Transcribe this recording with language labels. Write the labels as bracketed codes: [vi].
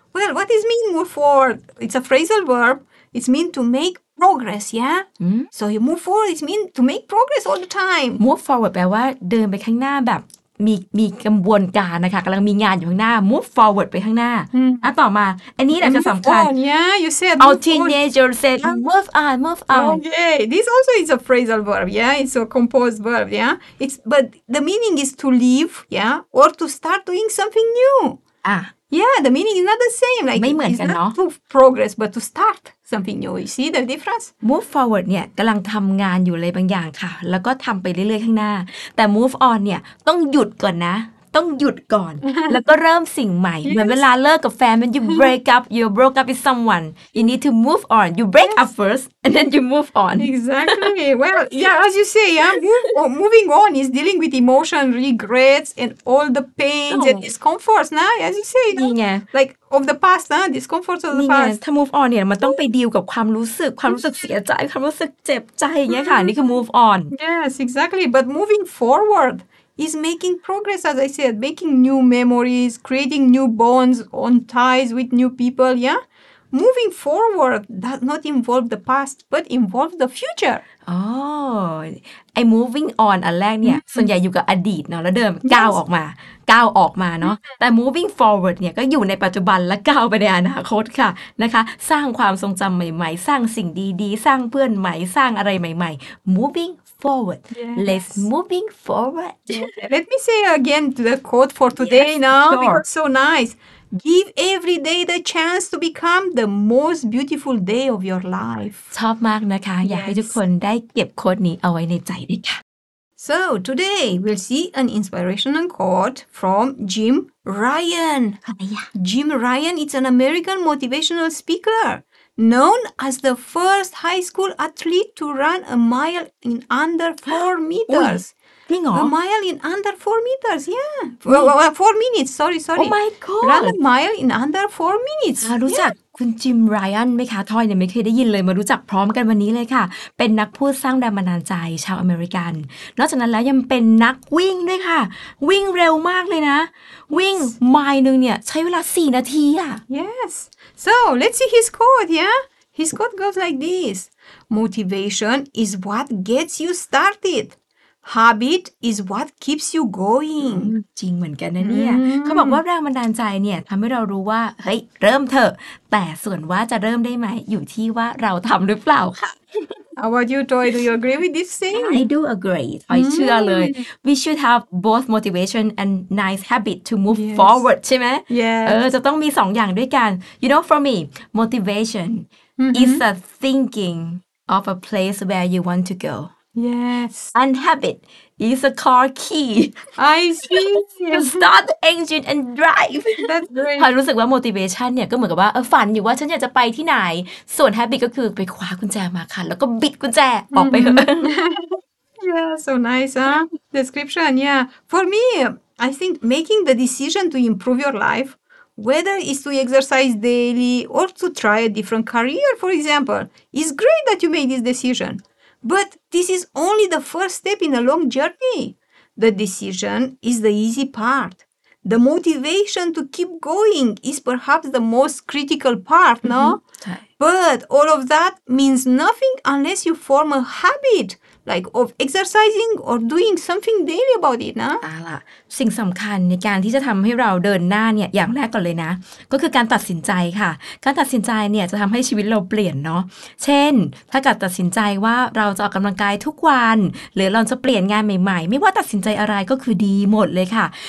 [en] Well, what does it mean move forward? It's a phrasal verb. It's mean to make progress, yeah? Mm-hmm. So you move forward, it's mean to make progress all the time. [th] Move forward แปลว่าเดินไปข้างหน้าแบบมีกระบวนการนะคะกำลังมีงานอยู่ข้างหน้า move forward ไปข้างหน้า อ่ ะต่อมาอันนี้แหละจะสำคัญ [en] on, yeah you said our teenager said move on okay this also is a phrasal verb yeah it's a composed verb yeah it's but the meaning is to leave yeah or to start doing something new Yeah, the meaning is not the same. Like, [th] ไม่เหมือนกันเน [en] าะ to progress, but to start something new. You see the difference? [th] Move forward เนี่ยกำลังทำงานอยู่เลยบางอย่างค่ะแล้วก็ทำไปเรื่อยๆข้างหน้าแต่ move on เนี่ยต้องหยุดก่อนนะต้องหยุดก่อน แล้วก็เริ่มสิ่งใหม่ เหมือนเวลาเลิกกับแฟน [en] when you break up, you broke up with someone. You need to move on. You break up first, and then you move on. Exactly. Well, yeah, as you say, moving on is dealing with emotion, regrets, and all the pains and discomforts, nah? As you say, you know? Like, of the past, discomforts of the past. [th] ถ้า move on เนี่ยมันต้องไปดีลกับความรู้สึกความรู้สึกเสียใจความรู้สึกเจ็บใจอย่างเงี้ยค่ะนี่คือ move on. [en] Yes, exactly. But moving forward,is making progress, as I said, making new memories, creating new bonds on ties with new people, yeah? Moving forward does not involve the past, but involve the future. Oh, I'm moving on, [th] อันแรกเนี่ย ส่วนใหญ่อยู่กับอดีตเนาะแล้วเดิมก้าวออกมาก้าวออกมาเนาะแต่ moving forward เนี่ยก็อยู่ในปัจจุบันและก้าวไปในอนาคตค่ะนะคะสร้างความทรงจำใหม่ๆสร้างสิ่งดีๆสร้างเพื่อนใหม่สร้างอะไรใหม่ๆ moving forward [en] yes. let's moving forward let me say again to the quote for today yes, now sure. because so nice give every day the chance to become the most beautiful day of your life [th] ชอบมากนะคะ [en] yes. [th] อยากให้ทุกคนได้เก็บโค้ดนี้เอาไว้ในใจด้วยค่ะ [en] So, today we'll see an inspirational quote from Jim Ryan. Jim Ryan is an American motivational speaker, known as the first high school athlete to run a mile in under 4 meters. A mile in under 4 meters, yeah. Four minutes, sorry. Oh my God. Run a mile in under 4 minutes. [th] รู้จักคุณจิมไรอันไหมคะทอยเนี่ยไม่เคยได้ยินเลยมารู้จักพร้อมกันวันนี้เลยค่ะเป็นนักพูดสร้างแรงบันดาลใจชาวอเมริกันนอกจากนั้นแล้วยังเป็นนักวิ่งด้วยค่ะวิ่งเร็วมากเลยนะวิ่งไมล์นึงเนี่ยใช้เวลา4นาทีอะ [en] Yes so let's see his quote yeah his quote goes like this motivation is what gets you startedHabit is what keeps you going. [th] จริงเหมือนกันนะเนี่ยเขาบอกว่าแรงบันดาลใจเนี่ยทำให้เรารู้ว่าเฮ้ยเริ่มเถอะแต่ส่วนว่าจะเริ่มได้ไหมอยู่ที่ว่าเราทำหรือเปล่าค่ ะ [en] How about you, Toy? Do you agree with this thing? I do agree. I [th] เชื่อเลย [en] We should have both motivation and nice habit to move forward. [th] ใช่ไหม [en] Yeah. [th] จะต้องมีสองอย่างด้วยกัน [en] You know, for me, motivation is a thinking of a place where you want to go. Yes. And habit is a car key. I see. To start the engine and drive. That's great. [th] ฮารู้สึกว่า motivation เนี่ยก็เหมือนกับว่าฝันอยู่ว่าฉันอยากจะไปที่ไหนส่วน habit ก็คือไปคว้ากุญแจมาค่ะแล้วก็บิดกุญแจออกไปเ [en] ถอะ Yeah, so nice, huh? Description, yeah. For me, I think making the decision to improve your life, whether it's to exercise daily or to try a different career, for example, is great that you made this decision. But this is only the first step in a long journey. The decision is the easy part. The motivation to keep going is perhaps the most critical part, no? But all of that means nothing unless you form a habit like of exercising or doing something daily about it นะ [th] อ่าล่ะสิ่งสำคัญในการที่จะทำให้เราเดินหน้าเนี่ยอย่างแรกก่อนเลยนะก็คือการตัดสินใจค่ะการตัดสินใจเนี่ยจะทำให้ชีวิตเราเปลี่ยนเนาะเช่นถ้าการตัดสินใจว่าเราจะออกกำลังกายทุกวันหรือเราจะเปลี่ยนงานใหม่ๆไม่ว่าตัดสินใจอะไรก็คือดีหมดเลยค่ะ